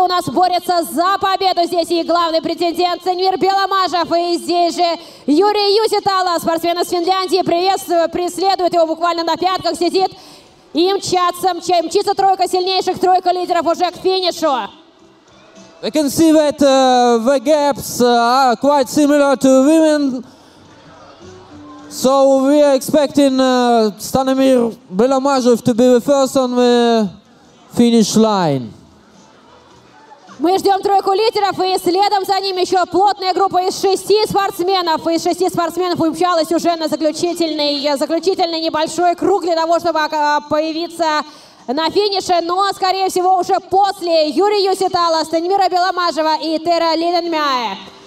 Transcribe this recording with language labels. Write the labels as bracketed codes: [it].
[ru] У нас борется за победу здесь и главный претендент Станимир Беломажев. И здесь же Юрий Юситала, спортсмен из Финляндии, преследует его, буквально на пятках сидит. И мчится тройка сильнейших, тройка лидеров уже к финишу. [en] We can see that the gaps are quite similar to women. So we are expecting Stanimir Belomazov to be the first on the finish line. [ru] Мы ждем тройку лидеров, и следом за ним еще плотная группа из шести спортсменов. Из шести спортсменов умчалась уже на заключительный небольшой круг для того, чтобы появиться на финише. Но, скорее всего, уже после Юрия Юситала, Станимира Беломажева и Тера Линденмяе.